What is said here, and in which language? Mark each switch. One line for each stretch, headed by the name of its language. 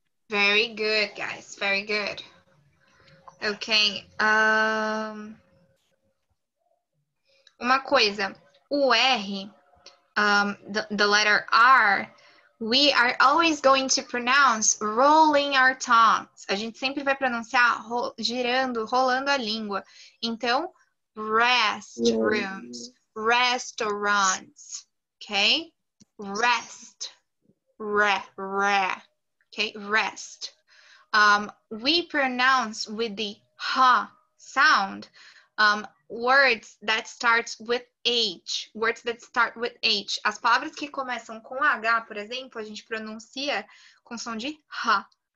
English: Very good, guys. Very good. Okay.
Portuguese: Uma coisa.
English: O R, the letter R, we are always going to pronounce rolling our tongues.
Portuguese: A gente sempre vai pronunciar rolando a língua.
English: Então, rest rooms. Restaurants, okay? Rest, okay? Rest. We pronounce with the ha sound words that start with H. Words that start with H.
Portuguese: As palavras que começam com H, por exemplo, a gente pronuncia com som de ha.